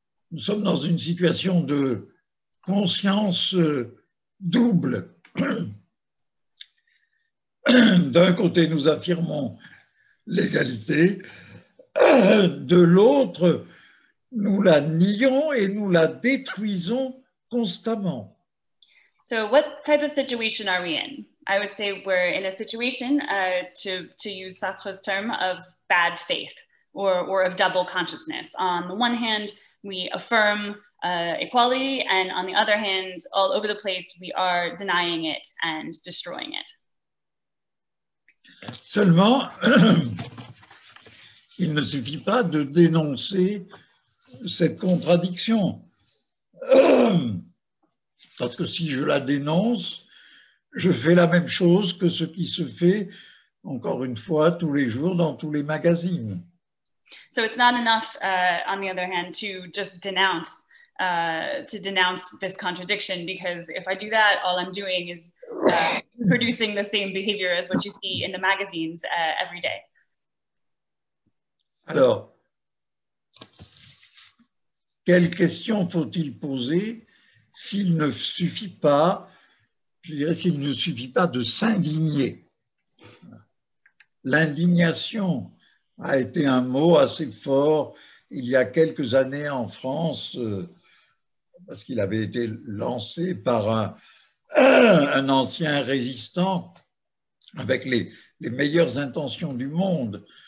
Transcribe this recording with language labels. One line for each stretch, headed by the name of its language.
French: Nous sommes dans une situation de conscience double. D'un côté, nous affirmons l'égalité. De l'autre, nous la nions et nous la détruisons constamment.
English: So what type of situation are we in? I would say we're in a situation, to use Sartre's term, of bad faith or of double consciousness. On the one hand, we affirm equality, and on the other hand, all over the place, we are denying it and destroying it.
French: Seulement, il ne suffit pas de dénoncer cette contradiction. Parce que si je la dénonce, je fais la même chose que ce qui se fait, encore une fois, tous les jours dans tous les magazines.
English: So it's not enough, on the other hand, to just denounce, to denounce this contradiction, because if I do that, all I'm doing is producing the same behavior as what you see in the magazines every day.
French: Alors, quelle question faut-il poser s'il ne suffit pas, je dirais, s'il ne suffit pas de s'indigner? L'indignation a été un mot assez fort il y a quelques années en France, parce qu'il avait été lancé par un ancien résistant avec les meilleures intentions du monde.